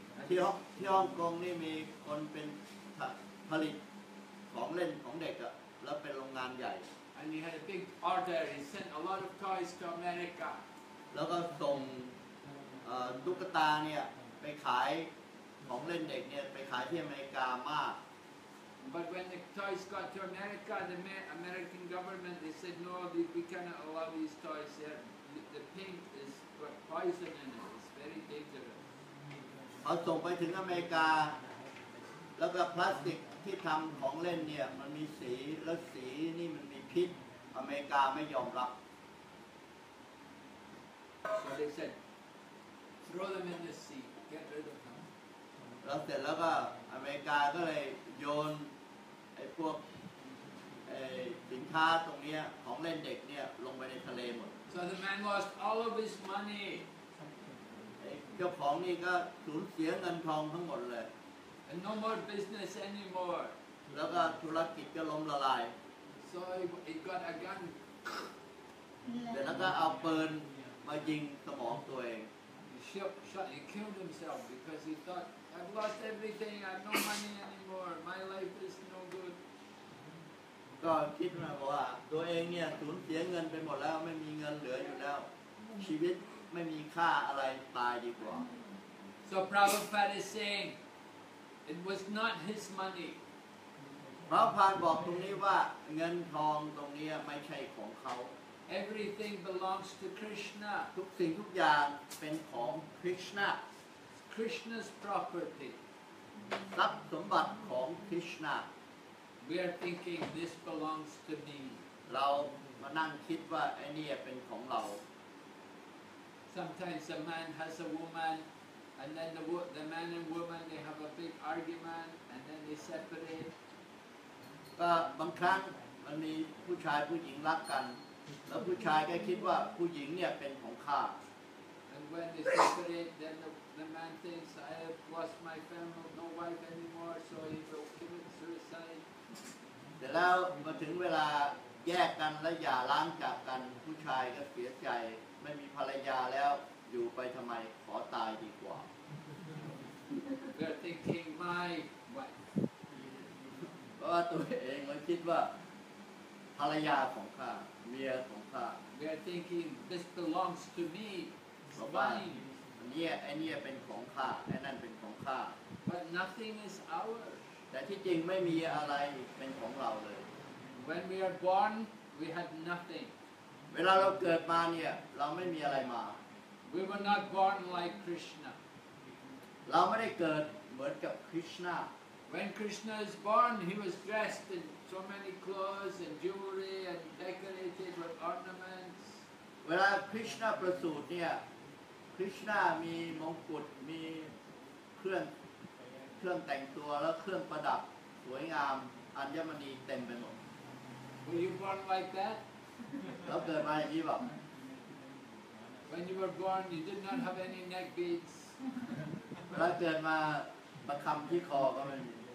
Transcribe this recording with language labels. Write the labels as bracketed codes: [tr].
[th] ที่ฮ่องกงนี่มีคนเป็นผลิตของเล่นของเด็กอะแล้วเป็นโรงงานใหญ่ [en] And he had a big order. He sent a lot of toys to America. [th] แล้วก็ส่งตุ๊กตาเนี่ยไปขายของเล่นเด็กเนี่ยไปขายที่อเมริกามาก [en] But when the toys got to America, the American government they said no, we cannot allow these toys here. The paint is got poison in it. It's very dangerous. [th] เอาส่งไปถึงอเมริกาแล้วก็พลาสติกที่ทำของเล่นเนี่ยมันมีสีแล้วสีนี่มันมีพิษอเมริกาไม่ยอมรับ [en] So they said throw them in the sea get rid of them [th] แล้วเสร็จแล้วก็อเมริกาก็เลยโยนไอ้พวกสินค้าตรงนี้ของเล่นเด็กเนี่ยลงไปในทะเลหมด [en] So the man lost all of his money [th] เจ้าของนี่ก็สูญเสียเงินทองทั้งหมดเลย [en] And no more business anymore [th] แล้วก็ธุรกิจก็ล้มละลาย [en] So he got a gun [th] แล้วก็เอาปืนมายิงสมองตัวเอง [en] He he killed himself because he thought, I've lost everything, I have no money anymore, my life is no good. [th] ก็คิดมาว่าตัวเองเนี่ยสูญเสียเงินไปหมดแล้วไม่มีเงินเหลืออยู่แล้วชีวิตไม่มีค่าอะไรตายดีกว่า [en] So Prabhupada is saying it was not his money [th] พระพานบอกตรงนี้ว่าเงินทองตรงนี้ไม่ใช่ของเขา [en] Everything belongs to Krishna [th] ทุกสิ่งทุกอย่างเป็นของ Krishna [en] Krishna's property [th] ทรัพย์สมบัติของ Krishna [en] We are thinking this belongs to me. [th] เรามานั่งคิดว่าไอ้นี่เป็นของเรา [en] Sometimes a man has a woman, and then the man and woman they have a big argument, and then they separate. [th] ก็บางครั้งมันมีผู้ชายผู้หญิงรักกันแล้วผู้ชายก็คิดว่าผู้หญิงเนี่ยเป็นของข้า [en] And when they separate, then the man thinks I have lost my family, no wife anymore, so he will commit suicide. [th] เสร็จแล้วมาถึงเวลาแยกกันและหย่าร้างจากกันผู้ชายก็เสียใจไม่มีภรรยาแล้วอยู่ไปทำไมขอตายดีกว่า [en] We're thinking my wife [th] เพราะว่าตัวเองมันคิดว่าภรรยาของข้าเมียของข้า [en] We're thinking this belongs to me my [th] อันนี้เป็นของข้าไอ้นั่นเป็นของข้า [en] But nothing is ours [th] แต่ที่จริงไม่มีอะไรเป็นของเราเลย [en] When we are born we had nothing [th] เวลาเราเกิดมาเนี่ยเราไม่มีอะไรมา [en] We were not born like Krishna [th] เราไม่ได้เกิดเหมือนกับ Krishna [en] When Krishna is born he was dressed in so many clothes and jewelry and decorated with ornaments [th] เวลา Krishna ประสูติเนี่ย Krishna มีมงกุฎมีเครื่องแต่งตัวและเครื่องประดับสวยงามอัญมณีเต็มไปหมด [en] Were you born like that? [th] เราเกิดมาอย่างนี้หรือเปล่า [en] When you were born, you did not have any neck beads. [th] เราเกิดมาประคำที่คอก็ไม่มี